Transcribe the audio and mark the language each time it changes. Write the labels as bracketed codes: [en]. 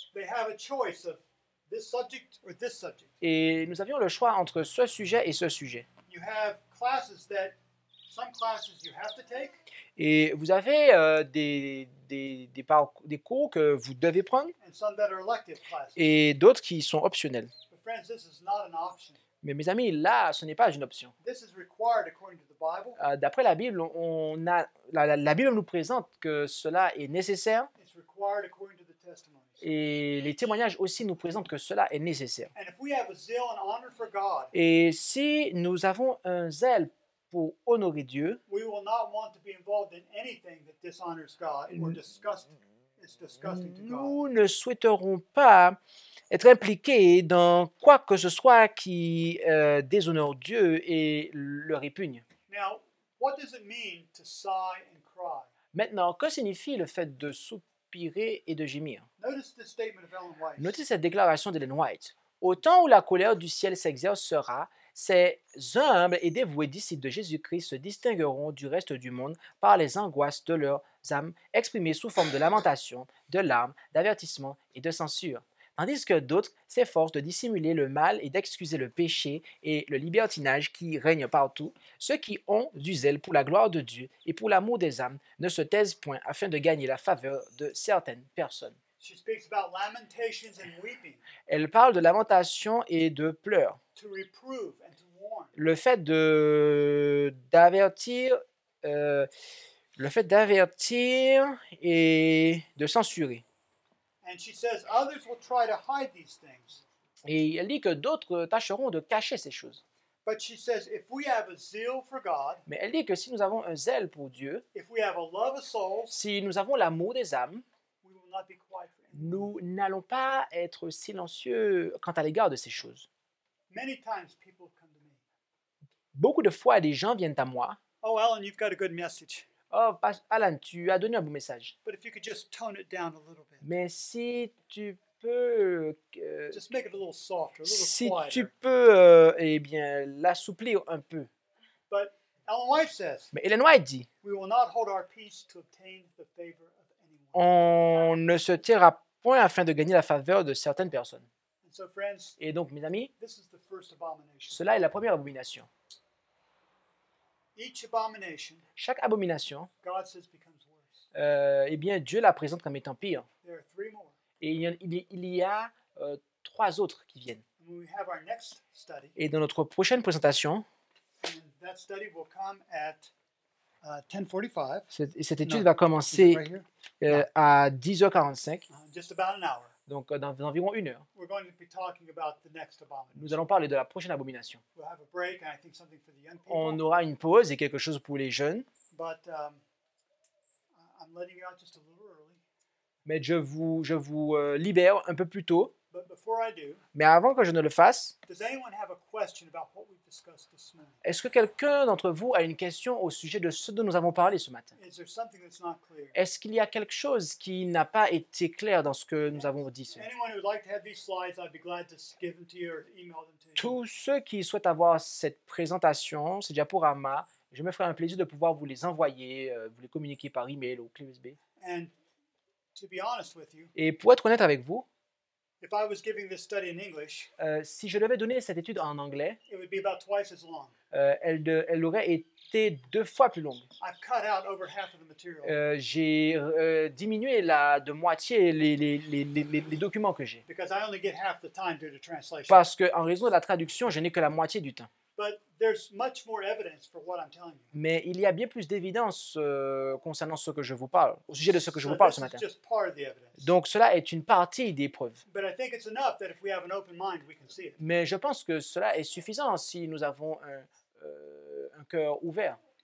[en] They have a choice of this subject or this subject. [fr] Et nous avions le choix entre ce sujet et ce sujet. [en] You have classes that some classes you have to take. [fr] Et vous avez des cours que vous devez prendre. [en] And some that are elective classes. [fr] Et d'autres qui sont optionnels. [en] But friends, this is not an option. [fr] Mais mes amis, là, ce n'est pas une option. [en] This is required according to the Bible. [fr] D'après la Bible, la Bible nous présente que cela est nécessaire. [en] It's required according to the testimonies. [fr] Et les témoignages aussi nous présentent que cela est nécessaire. [en] And if we have a zeal and honor for God, [fr] et si nous avons un zèle pour honorer Dieu, [en] we will not want to be involved in anything that dishonors God or is disgusting to God. [fr] Nous ne souhaiterons pas être impliqué dans quoi que ce soit qui déshonore Dieu et le répugne. [en] Now, what does it mean to sigh and cry? [fr] Maintenant, que signifie le fait de soupirer et de gémir? [en] Notice the statement of Ellen White. [fr] Notez cette déclaration d'Ellen White. Au temps où la colère du ciel s'exercera, ces humbles et dévoués disciples de Jésus-Christ se distingueront du reste du monde par les angoisses de leurs âmes exprimées sous forme de lamentations, de larmes, d'avertissements et de censures. tandis que d'autres s'efforcent de dissimuler le mal et d'excuser le péché et le libertinage qui règne partout, ceux qui ont du zèle pour la gloire de Dieu et pour l'amour des âmes ne se taisent point afin de gagner la faveur de certaines personnes. [en] She speaks about lamentations and weeping. [fr] Elle parle de lamentations et de pleurs. [en] To reprove and to warn. [fr] Le fait d'avertir et de censurer. [en] And she says others will try to hide these things. [fr] Et elle dit que d'autres tâcheront de cacher ces choses. [en] But she says if we have a zeal for God. [fr] Mais elle dit que si nous avons un zèle pour Dieu. [en] If we have a love of souls. [fr] Si nous avons l'amour des âmes. [en] We will not be quiet. [fr] Nous n'allons pas être silencieux quant à l'égard de ces choses. [en] Many times people come to me. [fr] Beaucoup de fois, des gens viennent à moi. [en] Oh, Alan, you've got a good message. [fr] Oh, Alan, tu as donné un bon message. [en] But if you could just tone it down a little bit. [fr] Mais si tu peux... [en] just make it a little softer, a little [fr] si [en] quieter. [fr] Si tu peux, eh bien, l'assouplir un peu. [en] But Ellen White says, [fr] mais Ellen White dit, [en] we will not hold our peace to obtain the favor. [fr] On ne se taira point afin de gagner la faveur de certaines personnes. [en] So friends, [fr] et donc, mes amis, [en] this is the first abomination. [fr] Cela est la première abomination. [en] Each abomination, [fr] chaque abomination, [en] God says becomes worse. [fr] Eh bien, Dieu la présente comme étant pire. [en] There are three more. [fr] Et il y a trois autres qui viennent. [en] When we have our next study, [fr] et dans notre prochaine présentation, [en] that study will come at 10:45. [fr] Cette étude va commencer à 10h45. [en] Just about an hour. [fr] Donc dans environ une heure. [en] We're going to be talking about the next abomination. [fr] Nous allons parler de la prochaine abomination. [en] We'll have a break and I think something for the young people. [fr] On aura une pause et quelque chose pour les jeunes. [en] But I'm letting you out just a little early. [fr] Mais je vous libère un peu plus tôt. [en] But before I do, [fr] mais avant que je ne le fasse, [en] does anyone have a question about what we've discussed this morning? [fr] Est-ce que quelqu'un d'entre vous a une question au sujet de ce dont nous avons parlé ce matin? [en] Is there something that's not clear? [fr] Est-ce qu'il y a quelque chose qui n'a pas été clair dans ce que nous avons dit ce matin? [en] Anyone who would like to have these slides, I'd be glad to give them to you or email them to you. [fr] Tous ceux qui souhaitent avoir cette présentation, ce diaporama, je me ferai un plaisir de pouvoir vous les envoyer, vous les communiquer par email ou clé USB. [en] And to be honest with you, [fr] et pour être honnête avec vous, [en] if I was giving this study in English, [fr] si je devais donner cette étude en anglais, [en] it would be about twice as long. [fr] Elle aurait été deux fois plus longue. [en] I've cut out over half of the material. [fr] J'ai diminué de moitié les documents que j'ai. [en] Because I only get half the time due to translation. [fr] Parce que en raison de la traduction, je n'ai que la moitié du temps. [en] But there's much more evidence for what I'm telling you. [fr] Mais il y a bien plus d'évidence concernant ce que je vous parle, au sujet de ce que je vous parle ce matin. [en] Just part of the evidence. [fr] Donc cela est une partie des preuves. [en] But I think it's enough that if we have an open mind, we can see it. [fr] Mais je pense que cela est suffisant si nous avons un cœur ouvert.